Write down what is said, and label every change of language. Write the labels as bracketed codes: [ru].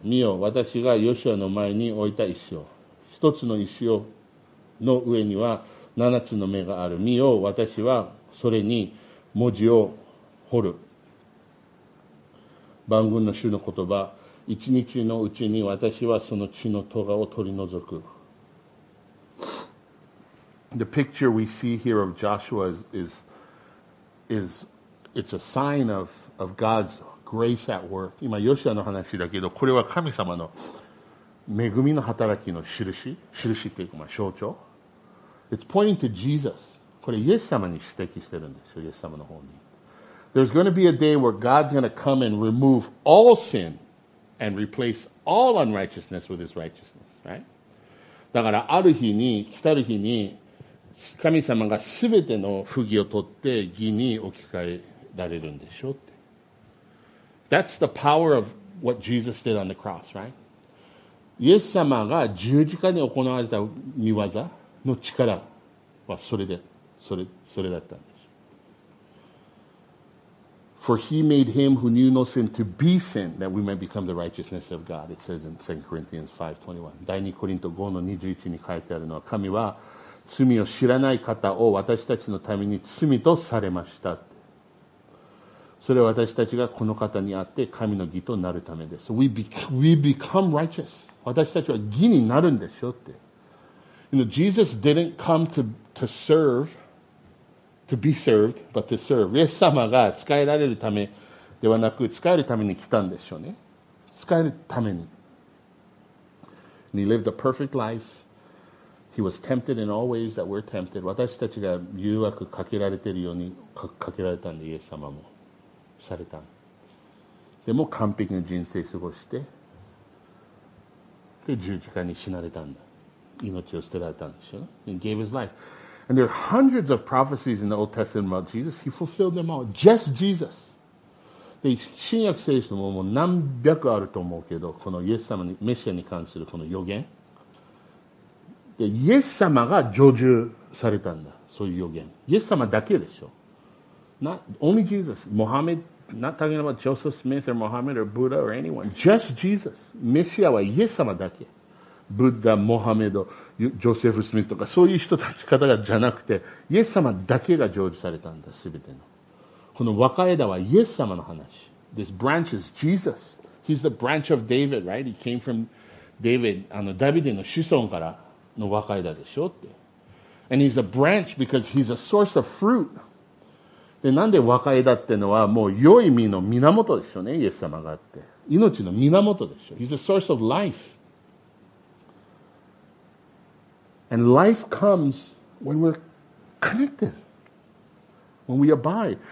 [ja] 見よ、私がヨシアの前に置いた石を、一つの石をの上には七つの目がある。見よ、私はそれに文字を彫る。万軍の主の言葉、一日のうちに私はその血の咎を取り除く。 [en] The picture we see here of Joshua is it's a sign of God's grace at work. [ja] 今ヨシアの話だけど、これは神様の恵みの働きの印、印というか、まあ、象徴。 [en] It's pointing to Jesus. [ja] これイエス様に指摘してるんですよ、イエス様の方に。 [en] There's going to be a day where God's going to come and remove all sin and replace all unrighteousness with his righteousness, right? [ja] だからある日に、来たる日に、神様がすべての不義を取って義に置き換えられるんでしょうって。 [en] That's the power of what Jesus did on the cross, right? [ja] イエス様が十字架に行われた御業の力はそれで、それだったんです。 [en] For he made him who knew no sin to be sin, that we might become the righteousness of God, it says in 2 Corinthians 5:21. [ja] 第2コリント5の21に書いてあるのは、神は罪を知らない方を私たちのために罪とされました。それは私たちがこの方にあって神の義となるためです。 [en] We become righteous. [ja] 私たちは義になるんでしょうって。 [en] You know, Jesus didn't come to serve, to be served, but to serve. [ja] イエス様が使えられるためではなく使えるために来たんでしょうね。使えるために。 [en] And he lived a perfect life. He was tempted in all ways that we're tempted. [ja] 私たちが誘惑かけられているように かけられたんで、イエス様もされた。でも完璧な人生を過ごして、で十字架に死なれたんだ。命を捨てられたんでしょ。 [en] He gave his life. And there are hundreds of prophecies in the Old Testament about Jesus. He fulfilled them all. Just Jesus. [ja] で新約聖書も何百あると思うけど、このイエス様にメシアに関するこの予言。でイエス様が成就されたんだ、そういう予言。イエス様だけでしょ。 [en] Not only Jesus. Mohammed, not talking about Joseph Smith or Mohammed or Buddha or anyone. Just Jesus. [ja] メシアはイエス様だけ。ブッダ、モハメド、ジョセフ・スミスとかそういう人たち方がじゃなくて、イエス様だけが成就されたんだ、すべての。この若枝はイエス様の話。 [en] This branch is Jesus. He's the branch of David, right? He came from David, [ja] ダビデの子孫から。の若枝でしょって。 [en] And he's a branch because he's a source of fruit. [ja] で、なんで若枝ってのはもう良い実の源でしょうね、イエス様があって。命の源でしょ。 [en] He's a source of life. And life comes when we're connected. When we abide.